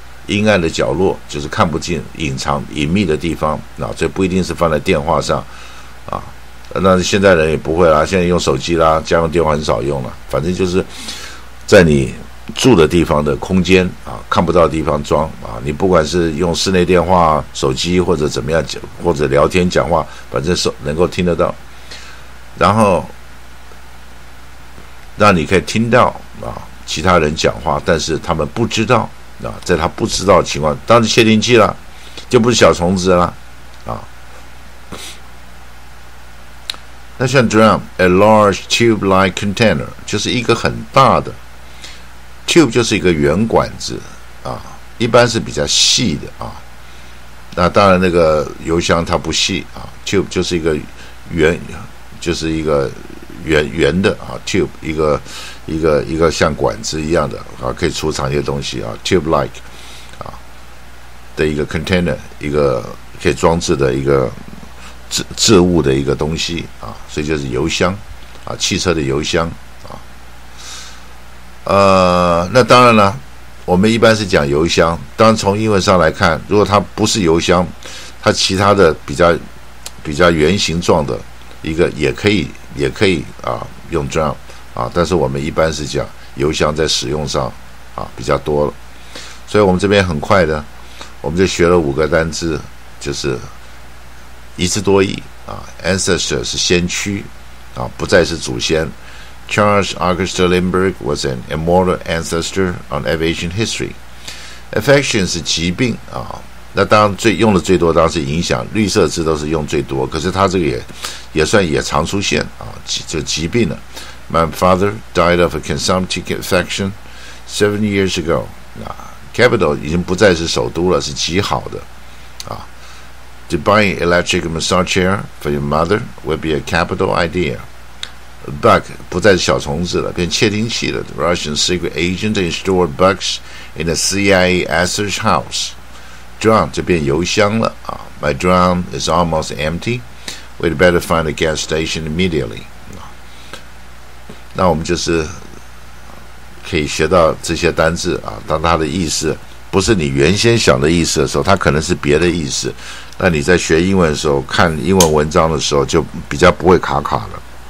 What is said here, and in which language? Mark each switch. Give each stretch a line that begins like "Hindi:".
Chinese: 阴暗的角落，就是看不见隐藏隐秘的地方啊，这不一定是放在电话上啊，那现在人也不会啦，现在用手机啦，家用电话很少用了，反正就是在你住的地方的空间啊，看不到的地方装啊，你不管是用室内电话、手机或者怎么样，或者聊天讲话，反正是能够听得到，然后让你可以听到啊其他人讲话，但是他们不知道啊，在他不知道的情况，当窃听器了，就不是小虫子了啊。那像 drum
English: a large tube-like container
Chinese: 就是一个很大的。 Tube 就是一个圆管子啊，一般是比较细的啊。那当然，那个油箱它不细啊。Tube 就是一个圆，就是一个圆圆的啊。 Tube 一个像管子一样的啊，可以储藏一些东西啊。 Tube-like 啊的一个 container， 一个可以装置的一个置物的一个东西啊，所以就是油箱啊，汽车的油箱。那当然了，我们一般是讲油箱，当然从英文上来看，如果它不是油箱，它其他的比较圆形状的一个也可以啊用 drum 啊，但是我们一般是讲油箱在使用上啊比较多了，所以我们这边很快的我们就学了五个单字，就是一字多义啊， ancestor 是先驱啊，不再是祖先。
English: Charles August Lindbergh was an immortal ancestor on aviation history.
Chinese: Affection 是疾病啊，那当然最用的最多当然是影响，绿色字都是用最多，可是他这个也算也常出现啊，就疾病了。
English: My father died of a consumptive affection 7 years ago.
Chinese: 啊 ，Capital 已经不再是首都了，是极好的啊。
English: To buy an electric massage chair for your mother would be a capital idea.
Chinese: Bug 不再是小虫子了，变窃听器了。
English: The Russian secret agent installed bugs in the CIA asset house. Drum
Chinese: 就变油箱了、
English: My drum is almost empty. We'd better find a gas station immediately.
Chinese: 那我们就是可以学到这些单字啊，当它的意思不是你原先想的意思的时候，它可能是别的意思。那你在学英文的时候，看英文文章的时候，就比较不会卡卡了。